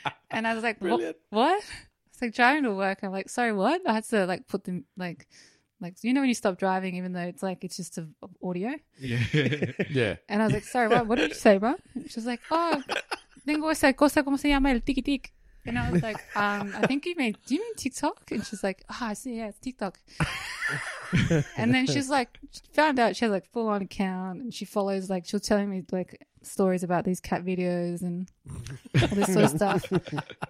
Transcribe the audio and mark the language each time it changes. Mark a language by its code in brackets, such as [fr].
[en] And I was like, what? It's like driving to work. I'm like, sorry, what? I had to, like, put them, like... Like, you know when you stop driving, even though it's like it's just audio? Yeah. Yeah. And I was like, sorry, what did you say, bro? She's like, oh, [es] tengo esa cosa como se llama el tiki-tik. [en] And I was like, I think you mean, do you mean TikTok? And she's like, oh, I see, yeah, it's TikTok. And then she's like, she found out she has like full-on account and she follows, like, she was telling me like stories about these cat videos and all this sort of stuff.